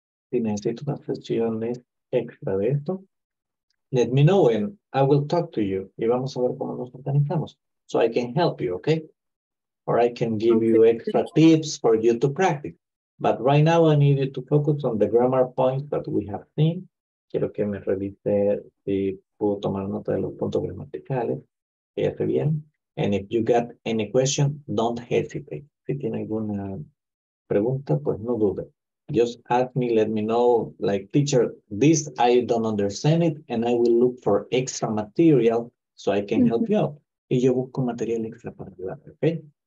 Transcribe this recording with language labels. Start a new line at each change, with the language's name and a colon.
Spanish: Si necesito una sesión extra de esto,
English: let me know and I will talk to you.
Spanish: Y vamos a ver cómo nos organizamos.
English: So I can help you, okay? Or I can give you extra tips for you to practice. But right now I need you to focus on the grammar points that we have seen.
Spanish: Quiero que me revise si puedo tomar nota de los puntos gramaticales. Que ya esté bien.
English: And if you got any question, don't hesitate.
Spanish: Si tiene alguna pregunta, pues no dude.
English: Just ask me, let me know, like, teacher, this, I don't understand it, and I will look for extra material so I can help you out.
Spanish: Y yo busco material extra para ayudar, okay?